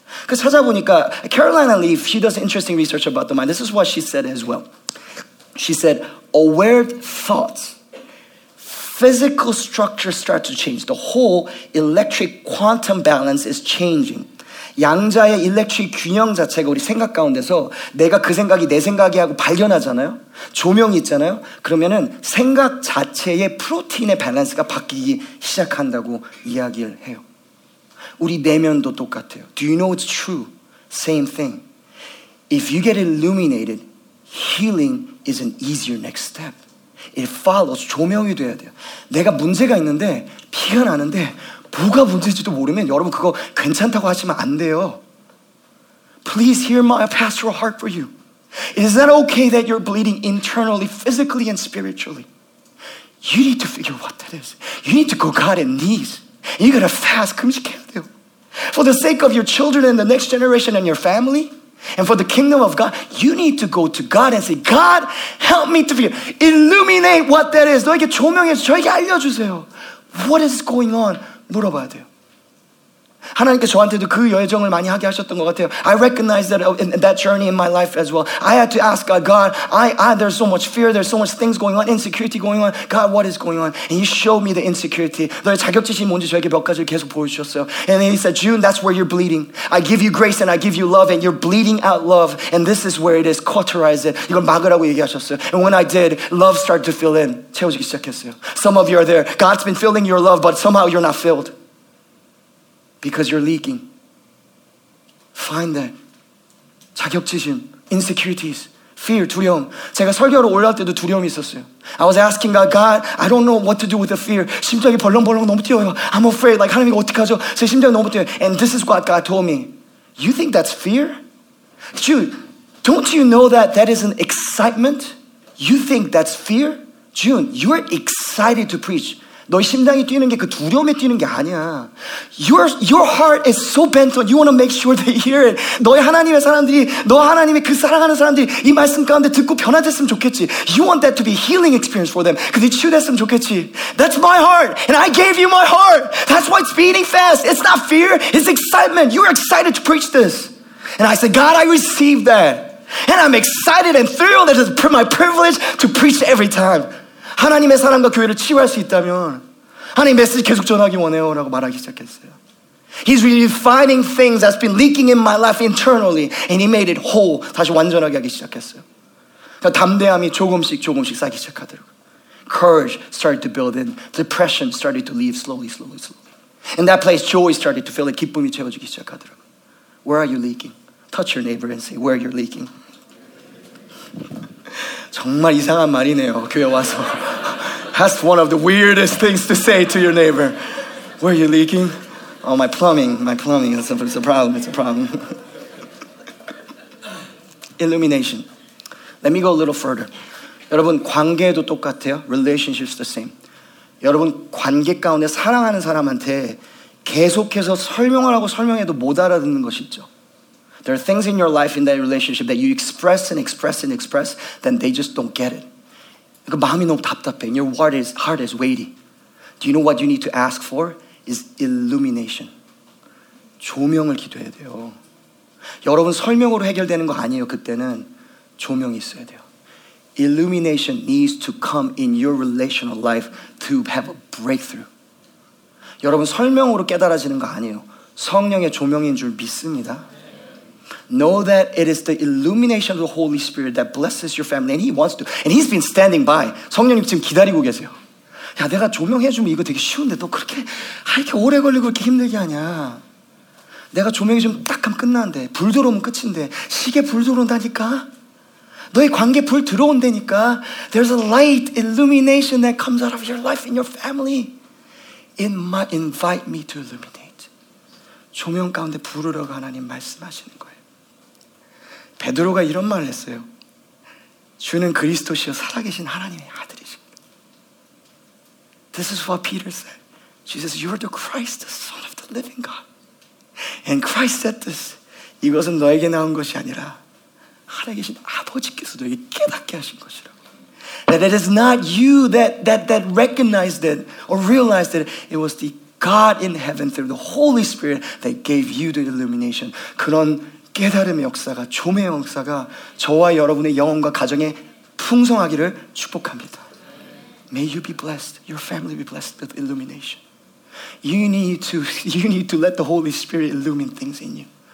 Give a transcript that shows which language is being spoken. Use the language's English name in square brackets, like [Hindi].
[Korean] 그 찾아보니까 [English] Carolina Leaf, she does interesting research about the mind. This is what she said as well. She said, aware thoughts, physical structure start to change. The whole electric quantum balance is changing. [Korean] 양자의 일렉트릭 균형 자체가 우리 생각 가운데서 내가 그 생각이 내 생각이라고 발견하잖아요. 조명이 있잖아요. 그러면은 생각 자체의 프로틴의 밸런스가 바뀌기 시작한다고 이야기를 해요. 우리 내면도 똑같아요. [English] Do you know it's true? Same thing. If you get illuminated, healing is an easier next step. It follows. [Korean] 조명이 돼야 돼요. 내가 문제가 있는데 피가 나는데 뭐가 문제인지도 모르면 여러분 그거 괜찮다고 하시면 안 돼요. [English] Please hear my pastoral heart for you. Is that okay that you're bleeding internally, physically, and spiritually? You need to figure what that is. You need to go God in knees. You gotta fast. [Korean] 금식해야 돼요. [English] For the sake of your children and the next generation and your family, and for the kingdom of God, you need to go to God and say, God, help me to figure. Illuminate what that is. [Korean] 너에게 조명해서 저에게 알려주세요. [English] What is going on? [Korean] 물어봐야 돼요. 하나님께 저한테도 그 여정을 많이 하게 하셨던 것 같아요. [English] I recognize that journey in my life as well. I had to ask God, God, there's so much fear, there's so much things going on, insecurity going on. God, what is going on? And He showed me the insecurity. [Korean] 너의 자격지심이 뭔지 저에게 몇 가지를 계속 보여주셨어요. [English] And then He said, June, that's where you're bleeding. I give you grace and I give you love and you're bleeding out love. And this is where it is. Cauterize it. [Korean] 이걸 막으라고 얘기하셨어요. [English] And when I did, love started to fill in. [Korean] 채워지기 시작했어요. [English] Some of you are there. God's been filling your love, but somehow you're not filled. Because you're leaking. Find that. [Korean] 자격지심, [English] insecurities, fear, [Korean] 두려움. 제가 설교를 올라갈 때도 두려움이 있었어요. [English] I was asking God, God, I don't know what to do with the fear. [Korean] 심장이 벌렁벌렁 너무 뛰어요. [English] I'm afraid. Like, [Korean] 하나님 이거 어떡하죠? 제 심장이 너무 뛰어요. [English] And this is what God told me. You think that's fear? Jude, don't you know that that is an excitement? You think that's fear? June, you're excited to preach. [Korean] 너 심장이 뛰는 게 그 두려움에 뛰는 게 아니야. [English] Your heart is so bent on you want to make sure they hear it. [Korean] 너의 하나님의 사람들이 너 하나님의 그 사랑하는 사람들이 이 말씀 가운데 듣고 변화됐으면 좋겠지. [English] You want that to be healing experience for them. [Korean] 그들이 치유됐으면 좋겠지. [English] That's my heart and I gave you my heart. That's why it's beating fast. It's not fear, it's excitement. You're excited to preach this. And I said, God, I received that. And I'm excited and thrilled that it's my privilege to preach every time. [Korean] 하나님의 사랑과 교회를 치유할 수 있다면 하나님 메시지 계속 전하기 원해요 라고 말하기 시작했어요. [English] He's refining things that's been leaking in my life internally and he made it whole. [Korean] 다시 완전하게 하기 시작했어요. 그러니까 담대함이 조금씩 조금씩 쌓이기 시작하더라고요. [English] Courage started to build in. Depression started to leave slowly, slowly, slowly. In that place, joy started to fill it. [Korean] 기쁨이 채워지기 시작하더라고요. [English] Where are you leaking? Touch your neighbor and say, where are you leaking? [Korean] 정말 이상한 말이네요, 교회 와서. [English] That's one of the weirdest things to say to your neighbor. Where are you leaking? Oh, my plumbing. It's a problem. Illumination. Let me go a little further. [Korean] 여러분, 관계도 똑같아요. [English] Relationship's the same. [Korean] 여러분, 관계 가운데 사랑하는 사람한테 계속해서 설명을 하고 설명해도 못 알아듣는 것이 있죠. [English] There are things in your life, in that relationship that you express and express and express, then they just don't get it. [Korean] 그러니까 마음이 너무 답답해. [English] And your heart is weighty. Do you know what you need to ask for? Is illumination. [Korean] 조명을 기도해야 돼요. 여러분 설명으로 해결되는 거 아니에요. 그때는 조명이 있어야 돼요. [English] Illumination needs to come in your relational life to have a breakthrough. [Korean] 여러분 설명으로 깨달아지는 거 아니에요. 성령의 조명인 줄 믿습니다. [English] Know that it is the illumination of the Holy Spirit that blesses your family and he wants to. And he's been standing by. [Korean] 성령님 지금 기다리고 계세요. 야, 내가 조명해주면 이거 되게 쉬운데 너 그렇게 이렇게 오래 걸리고 그렇게 힘들게 하냐. 내가 조명해주면 딱 하면 끝나는데 불 들어오면 끝인데 시계 불 들어온다니까. 너의 관계 불 들어온다니까. [English] There's a light illumination that comes out of your life in your family. Invite me to illuminate. [Korean] 조명 가운데 부르라고 하나님 말씀하시는 거예요. 베드로가 이런 말을 했어요. 주는 그리스도시여 살아계신 하나님의 아들이십니다. [English] This is what Peter said. Jesus, you are the Christ, the Son of the living God. And Christ said this. [Korean] 이것은 너에게 나온 것이 아니라 살아계신 아버지께서 너에게 깨닫게 하신 것이라고. [English] That it is not you that recognized it or realized it. It was the God in heaven through the Holy Spirit that gave you the illumination. [Korean] 그런 깨달음의 역사가, 조명의 역사가 저와 여러분의 영혼과 가정에 풍성하기를 축복합니다. [English] May you be blessed, your family be blessed with illumination. You need to let the Holy Spirit illumine things in you.